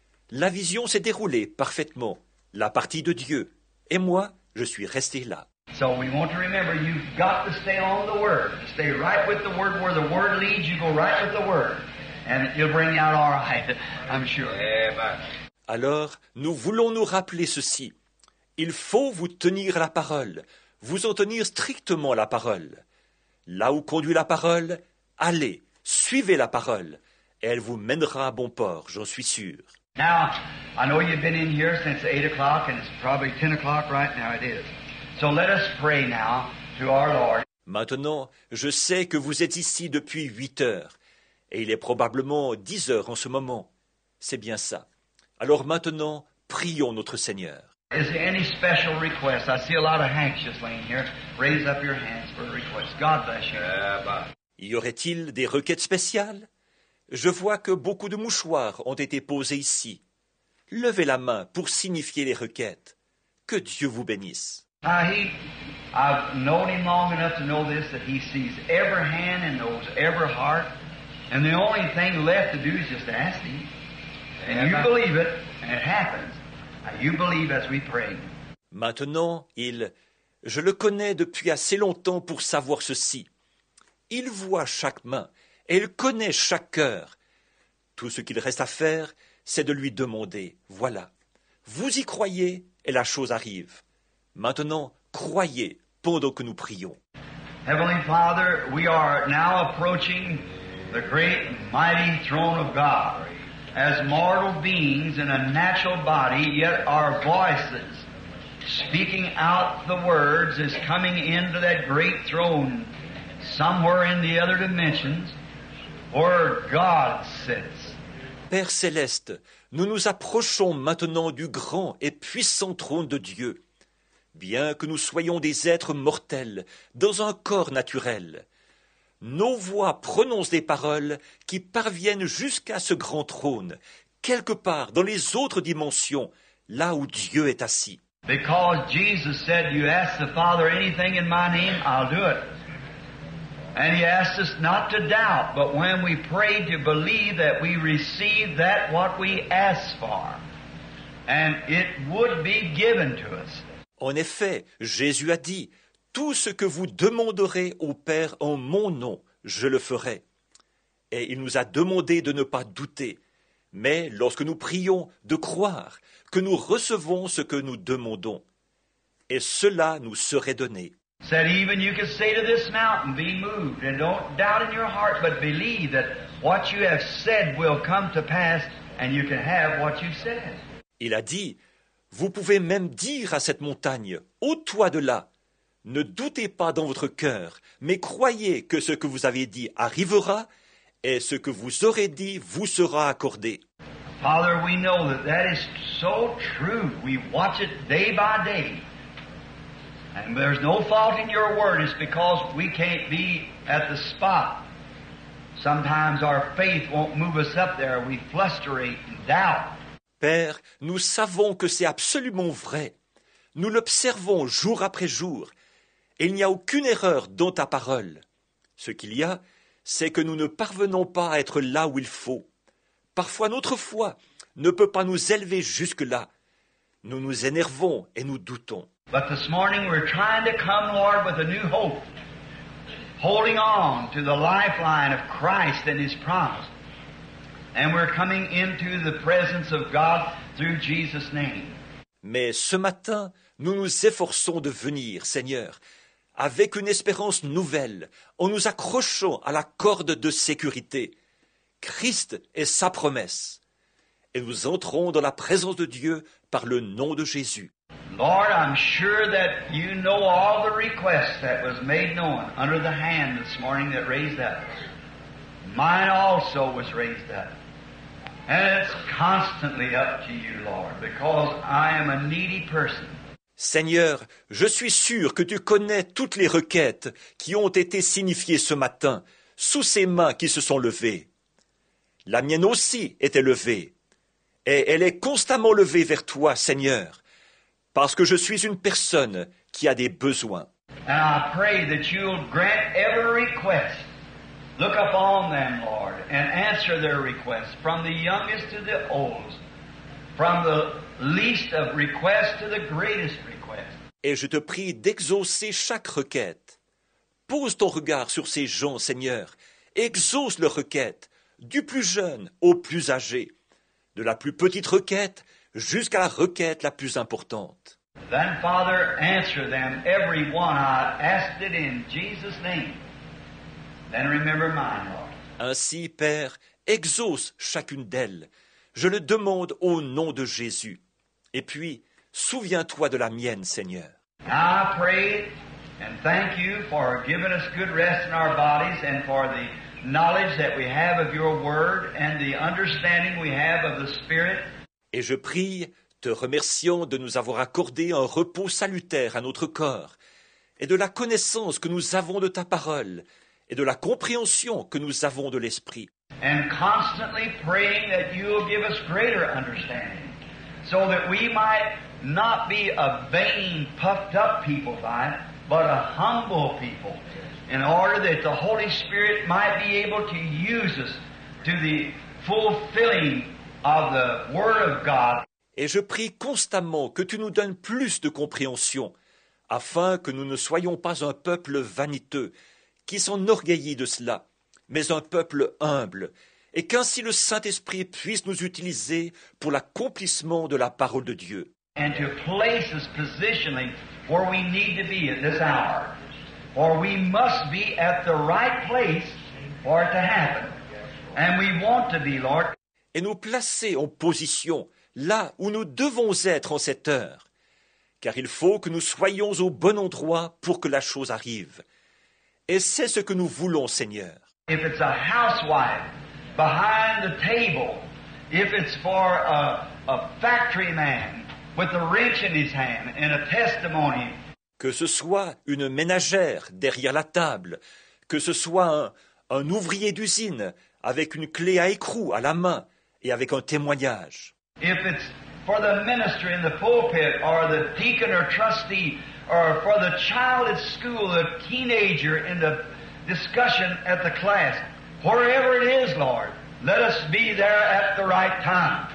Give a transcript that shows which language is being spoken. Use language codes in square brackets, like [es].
[fr] La vision s'est déroulée parfaitement, la partie de Dieu. Et moi, je suis resté là. [en] So we want to remember, you've got to stay on the Word. Stay right with the Word. Where the Word leads, you go right with the Word. And it'll bring out all right, I'm sure. Amen. [fr] Alors, nous voulons nous rappeler ceci. Il faut vous tenir la parole, vous en tenir strictement la parole. Là où conduit la parole, allez. Suivez la parole, et elle vous mènera à bon port, j'en suis sûr. [en] Now, I know you've been in here since 8 o'clock, and it's probably 10 o'clock right now, it is. So let us pray now to our Lord. [fr] Maintenant, je sais que vous êtes ici depuis 8 heures, et il est probablement 10 heures en ce moment. C'est bien ça. Alors maintenant, prions notre Seigneur. [en] Is there any special request? I see a lot of hands just laying here. Raise up your hands for a request. God bless you. Yeah, bye. [fr] Y aurait-il des requêtes spéciales? Je vois que beaucoup de mouchoirs ont été posés ici. Levez la main pour signifier les requêtes. Que Dieu vous bénisse. [en] Now, I've known him long enough to know this, that he sees every hand and knows every heart. And the only thing left to do is just ask him. And you believe it, and it happens. Now, you believe as we pray. [fr] Maintenant, je le connais depuis assez longtemps pour savoir ceci. Il voit chaque main, et il connaît chaque cœur. Tout ce qu'il reste à faire, c'est de lui demander. Voilà. Vous y croyez, et la chose arrive. Maintenant, croyez pendant que nous prions. [en] Heavenly Father, we are now approaching the great mighty throne of God. As mortal beings in a natural body, yet our voices speaking out the words is coming into that great throne somewhere in the other dimensions where God sits. [fr] Père Céleste, nous nous approchons maintenant du grand et puissant trône de Dieu. Bien que nous soyons des êtres mortels dans un corps naturel, nos voix prononcent des paroles qui parviennent jusqu'à ce grand trône, quelque part dans les autres dimensions, là où Dieu est assis. [en] Because Jesus said, you ask the Father anything in my name, I'll do it. And he asked us not to doubt, but when we pray to believe that we receive that what we ask for, and it would be given to us. [fr] En effet, Jésus a dit, « Tout ce que vous demanderez au Père en mon nom, je le ferai. » Et il nous a demandé de ne pas douter, mais lorsque nous prions, de croire que nous recevons ce que nous demandons. Et cela nous serait donné. [en] Said even you could say to this mountain, be moved, and don't doubt in your heart, but believe that what you have said will come to pass, and you can have what you said. [fr] Il a dit, vous pouvez même dire à cette montagne, ôte-toi de là. Ne doutez pas dans votre cœur, mais croyez que ce que vous avez dit arrivera, et ce que vous aurez dit vous sera accordé. [en] Father, we know that that is so true. We watch it day by day. And there's no fault in your word. It's because we can't be at the spot. Sometimes our faith won't move us up there. We flusterate and doubt. [fr] Père, nous savons que c'est absolument vrai. Nous l'observons jour après jour. Et il n'y a aucune erreur dans ta parole. Ce qu'il y a, c'est que nous ne parvenons pas à être là où il faut. Parfois notre foi ne peut pas nous élever jusque-là. Nous nous énervons et nous doutons. [en] But this morning we're trying to come, Lord, with a new hope, holding on to the lifeline of Christ and His promise. And we're coming into the presence of God through Jesus' name. [fr] Mais ce matin, nous nous efforçons de venir, Seigneur, avec une espérance nouvelle, en nous accrochant à la corde de sécurité. Christ est sa promesse. Et nous entrons dans la présence de Dieu par le nom de Jésus. [en] Lord, I'm sure that you know all the requests that was made known under the hand this morning that raised up. Mine also was raised up. And it's constantly up to you, Lord, because I am a needy person. [fr] Seigneur, je suis sûr que tu connais toutes les requêtes qui ont été signifiées ce matin sous ces mains qui se sont levées. La mienne aussi était levée. Et elle est constamment levée vers toi, Seigneur. Parce que je suis une personne qui a des besoins. [en] And I pray that you'll grant every request. Look upon them, Lord, and answer their requests, from the youngest to the oldest, from the least of requests to the greatest request. [fr] Et je te prie d'exaucer chaque requête. Pose ton regard sur ces gens, Seigneur. Exauce leurs requêtes, du plus jeune au plus âgé, de la plus petite requête jusqu'à la requête la plus importante. [en] Then, Father, answer them, every one. I asked it in Jesus' name. Then remember mine, Lord. [fr] Ainsi, Père, exauce chacune d'elles. Je le demande au nom de Jésus. Et puis, souviens-toi de la mienne, Seigneur. [en] Now I pray and thank you for giving us good rest in our bodies and for the knowledge that we have of your word and the understanding we have of the Spirit. [fr] Et je prie, te remerciant de nous avoir accordé un repos salutaire à notre corps, et de la connaissance que nous avons de ta parole, et de la compréhension que nous avons de l'Esprit. [en] And constantly praying that you will give us greater understanding, so that we might not be a vain, puffed up people, Father, but a humble people, in order that the Holy Spirit might be able to use us to the fulfilling of the Word of God. [fr] Et je prie constamment que tu nous donnes plus de compréhension, afin que nous ne soyons pas un peuple vaniteux, qui s'enorgueillit de cela, mais un peuple humble, et qu'ainsi le Saint-Esprit puisse nous utiliser pour l'accomplissement de la parole de Dieu. [en] And to place us positionally where we need to be at this hour, or we must be at the right place for it to happen. And we want to be, Lord. [fr] Et nous placer en position là où nous devons être en cette heure, car il faut que nous soyons au bon endroit pour que la chose arrive. Et c'est ce que nous voulons, Seigneur. [en] If it's a housewife behind the table, if it's for a factory man with a wrench in his hand and a testimony. [fr] Que ce soit une ménagère derrière la table, que ce soit un ouvrier d'usine avec une clé à écrou à la main et avec un témoignage. [en] If it's for the minister in the pulpit or the deacon or trustee or for the child at school, the teenager in the discussion at the class, wherever it is, Lord, let us be there at the right time.